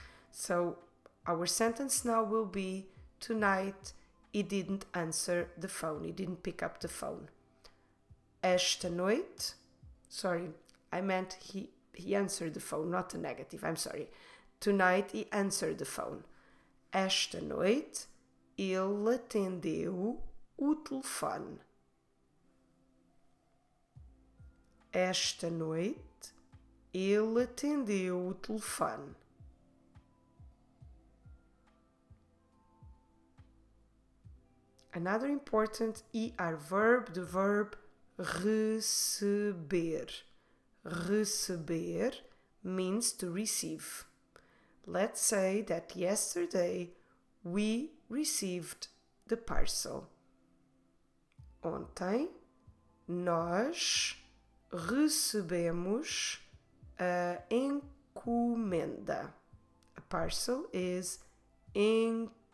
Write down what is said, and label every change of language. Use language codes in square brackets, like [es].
[en] So our sentence now will be, tonight he didn't answer the phone, he didn't pick up the phone. [pt] Esta noite, [en] sorry, I meant he answered the phone, not a negative, I'm sorry. Tonight he answered the phone. [pt] Esta noite ele atendeu o telefone. Esta noite ele atendeu o telefone. [en] Another important ER verb, the verb receber. Receber means to receive. Let's say that yesterday we received the parcel. [pt] Ontem nós recebemos a encomenda. [en] A parcel is encomenda.